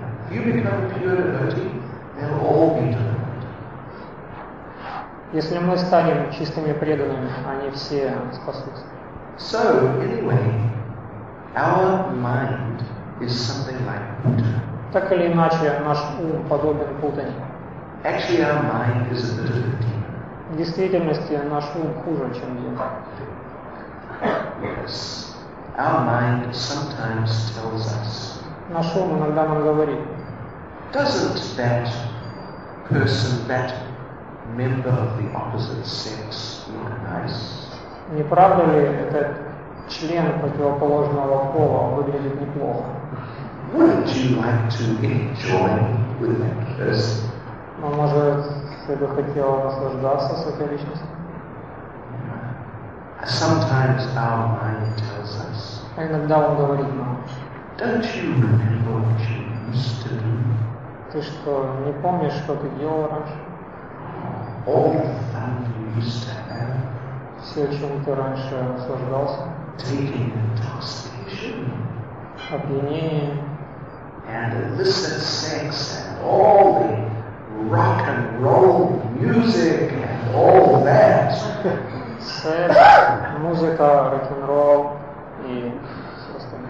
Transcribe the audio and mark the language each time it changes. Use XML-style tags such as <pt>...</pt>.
<en>If you become a pure devotee, they'll all be delivered.</en> <ru>Если мы станем чистыми преданными, они все спасутся.</ru> <en>So anyway, our mind is something like Putana.</en> <ru>Так или иначе, наш ум подобен Путане.</ru> <en>Actually, our mind is a bit of a demon.</en> <ru>В действительности, наш ум хуже, чем демон.</ru> <en>Yes, our mind sometimes tells us.</en> <ru>Наш ум иногда нам говорит.</ru> <en>Doesn't that person, that member of the opposite sex, look nice?</en> <ru>Не правда ли этот член противоположного пола выглядит неплохо?</ru> <en>Wouldn't you like to enjoy with that person?</en> <ru>А может, ты бы хотел наслаждаться с этой личностью?</ru> <en>Sometimes our mind tells us.</en> <ru>Иногда он говорит нам.</ru> <en>Don't you remember what you used to do?</en> <ru>Ты что, не помнишь, что ты делал раньше?</ru> <en>All the fun you used to have.</en> <ru>Все, чем ты раньше наслаждался.</ru> <en>Taking intoxication.</en> <ru>Опьянение.</ru> <en>And illicit sex and all the rock and roll music and all that.</en> <ru>Секс, музыка, рок-н-ролл и все</ru>